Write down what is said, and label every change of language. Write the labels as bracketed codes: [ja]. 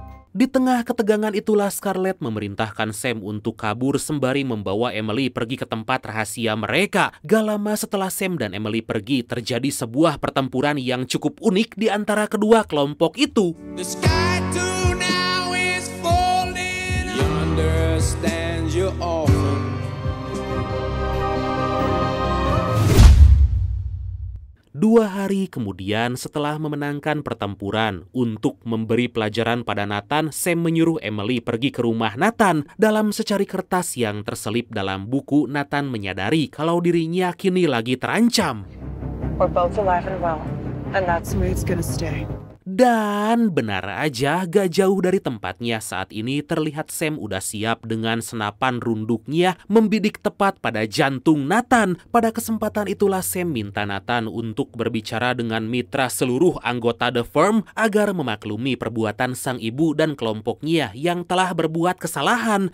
[id] Di tengah ketegangan itulah Scarlett memerintahkan Sam untuk kabur sembari membawa Emily pergi ke tempat rahasia mereka. Gak lama setelah Sam dan Emily pergi, terjadi sebuah pertempuran yang cukup unik di antara kedua kelompok itu. [en] The sky too now is falling. You understand you all. [id] Dua hari kemudian setelah memenangkan pertempuran, untuk memberi pelajaran pada Nathan, Sam menyuruh Emily pergi ke rumah Nathan. Dalam secari kertas yang terselip dalam buku, Nathan menyadari kalau dirinya kini lagi terancam. [en] We're both alive and well, and that's where it's gonna stay. [id] Dan benar aja, gak jauh dari tempatnya saat ini terlihat Sam udah siap dengan senapan runduknya membidik tepat pada jantung Nathan. Pada kesempatan itulah Sam minta Nathan untuk berbicara dengan mitra seluruh anggota The Firm agar memaklumi perbuatan sang ibu dan kelompoknya yang telah berbuat kesalahan.